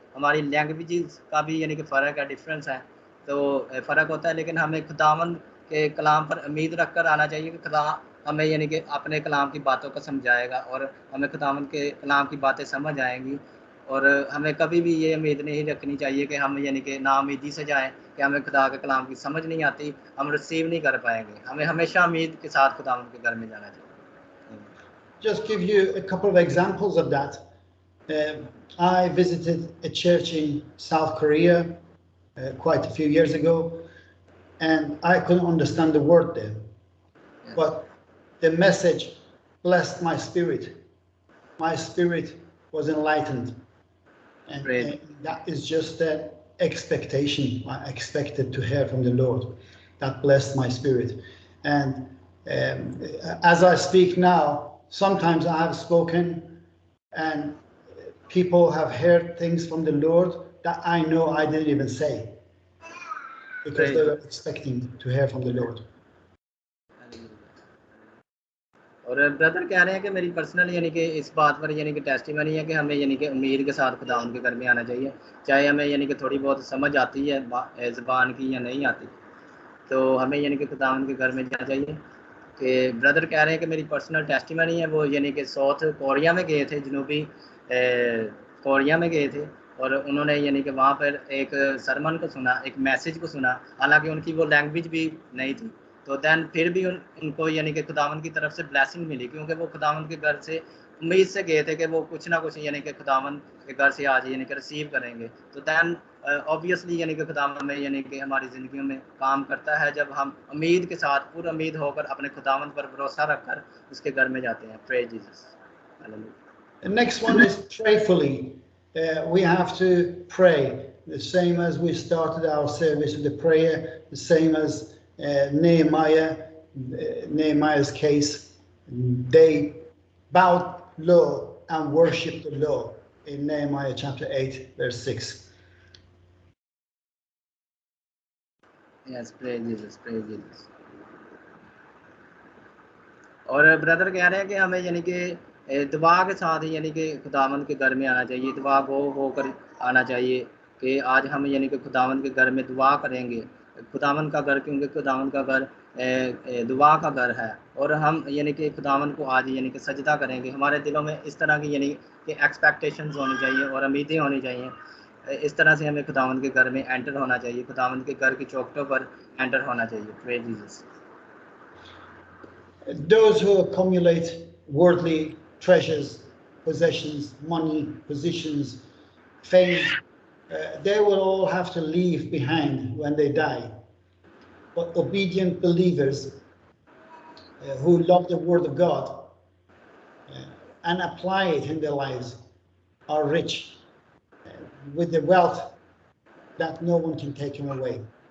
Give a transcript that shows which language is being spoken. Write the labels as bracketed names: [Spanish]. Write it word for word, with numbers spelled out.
[Urdu] ہماری لینگویجز کا بھی یعنی کہ فرق ہے، ڈفرینس ہے، تو فرق ہوتا ہے، لیکن ہمیں خداوند کے کلام پر امید رکھ کر آنا چاہیے کہ خدا ہمیں یعنی کہ اپنے کلام کی باتوں کو سمجھائے گا اور ہمیں خداوند کے کلام کی باتیں سمجھ آئیں گی، اور ہمیں کبھی بھی یہ امید نہیں رکھنی چاہیے کہ ہم یعنی کہ ناامیدی سے جائیں کہ ہمیں خدا کے کلام کی سمجھ نہیں آتی، ہم ریسیو نہیں کر پائیں گے، ہمیں ہمیشہ امید کے ساتھ خداوند کے گھر میں جانا چاہیے. [English] Just give you a couple of examples of that. Um, I visited a church in South Korea uh, quite a few years ago, and I couldn't understand the word there. Yeah. But the message blessed my spirit. My spirit was enlightened. And, Great. and that is just that expectation I expected to hear from the Lord. That blessed my spirit. And um, as I speak now, sometimes I have spoken and people have heard things from the Lord that I know I didn't even say, because Praise they were expecting to hear from the Lord. [Urdu] اور brother کہہ رہے ہیں کہ میری personal یعنی کہ اس بات پر یعنی کہ ٹیسٹیمنی ہے کہ ہمیں یعنی کہ امید کے ساتھ خدا ان کے گھر میں آنا چاہیے، چاہے ہمیں یعنی کہ تھوڑی بہت سمجھ آتی ہے با- اے زبان کی یا نہیں آتی، تو ہمیں یعنی کہ خدا ان کے گھر میں جانا چاہیے. کہ بردر کہہ رہے ہیں کہ میری پرسنل ٹیسٹیمنی ہے، وہ یعنی کہ ساؤتھ کوریا میں گئے تھے، جنوبی اے، کوریا میں گئے تھے، اور انہوں نے یعنی کہ وہاں پر ایک سرمن کو سنا، ایک میسج کو سنا، حالانکہ ان کی وہ لینگویج بھی نہیں تھی، تو دین پھر بھی ان ان کو یعنی کہ خداوند کی طرف سے بلیسنگ ملی، کیونکہ وہ خداوند کے گھر سے امید سے گئے تھے کہ وہ کچھ نہ کچھ یعنی کہ خداوند کے گھر سے آج یعنی کہ ریسیو کریں گے. تو دین اوبیسلی یعنی کہ خداوند میں یعنی کہ ہماری زندگیوں میں کام کرتا ہے جب ہم امید کے ساتھ پورا امید ہو کر اپنے خداوند پر بھروسہ رکھ کر اس کے گھر میں جاتے ہیں. [English] Praise Jesus. Hallelujah. The next one is prayerfully. Uh, we have to pray, the same as we started our service with the prayer, the same as uh, Nehemiah, uh, Nehemiah's case. They bowed low and worshipped the Lord in Nehemiah chapter eight, verse six. Yes, praise Jesus, praise Jesus. [Urdu] اور brother کہہ رہے ہیں کہ ہمیں یعنی کہ اے، دعا کے ساتھ یعنی کہ خداوند کے گھر میں آنا چاہیے، دعا گو ہو کر آنا چاہیے کہ آج ہم یعنی کہ خداوند کے گھر میں دعا کریں گے. خداوند کا گھر، کیونکہ خداوند کا گھر اے، اے، دعا کا گھر ہے، اور ہم یعنی کہ خداوند کو آج یعنی کہ سجدہ کریں گے. ہمارے دلوں میں اس طرح کی یعنی کہ ایکسپیکٹیشنز ہونی چاہیے اور امیدیں ہونی چاہیے، اے، اس طرح سے ہمیں خداوند کے گھر میں انٹر ہونا چاہیے، خداوند کے گھر کی چوکٹوں پر انٹر ہونا چاہیے. [English] Praise Jesus. Those who accumulate worldly treasures, possessions, money, positions, fame, uh, they will all have to leave behind when they die. But obedient believers uh, who love the Word of God uh, and apply it in their lives are rich uh, with the wealth that no one can take them away.